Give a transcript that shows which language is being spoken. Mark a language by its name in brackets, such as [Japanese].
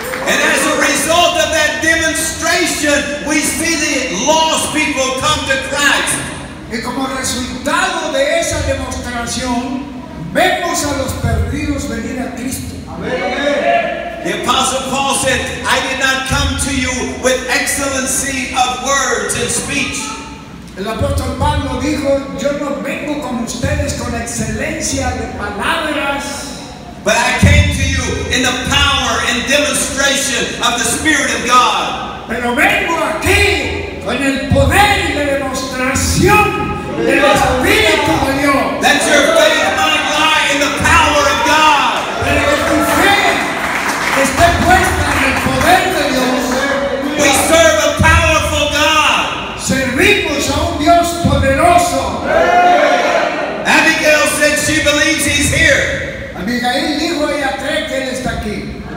[English] And as a result of that demonstration, we see the lost people come to Christ. [Spanish] Y como resultado de esa demostración, vemos a los perdidos venir a Cristo. [English] Amen. The Apostle Paul said, I did not come to you with excellency of words and speech. [Spanish] El apóstol Pablo dijo, yo no vengo con ustedes con excelencia de palabras. [English] But I came to you in the power and demonstration of the Spirit of God. [Spanish] Pero vengo aquí con el poder y la demostración del Espíritu de Dios. [English] That your faith might lie in the power of God. [Spanish] Pero que tu fe esté puesta en el poder de Dios. [English] We serve a powerful God. [Spanish] Servimos a un Dios poderoso. [English] Abigail said she believes he's here. [Spanish] Abigail dijo ella cree que él está aquí.